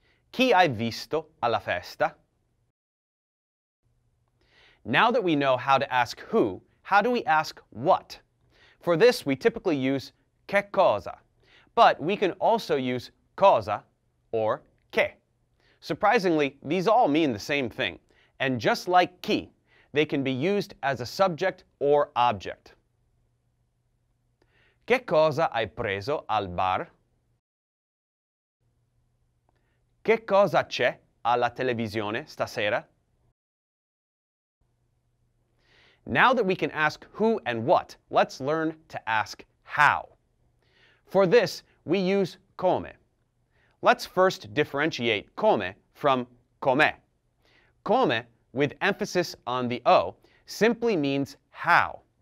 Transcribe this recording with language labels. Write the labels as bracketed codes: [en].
[it] Chi hai visto alla festa? [en] Now that we know how to ask who, how do we ask what? For this, we typically use che cosa, but we can also use cosa or che. Surprisingly, these all mean the same thing, and just like chi, they can be used as a subject or object. [it] Che cosa hai preso al bar? Che cosa c'è alla televisione stasera? [en] Now that we can ask who and what, let's learn to ask how. For this, we use come. Let's first differentiate come from com'è. Come, with emphasis on the O, simply means how.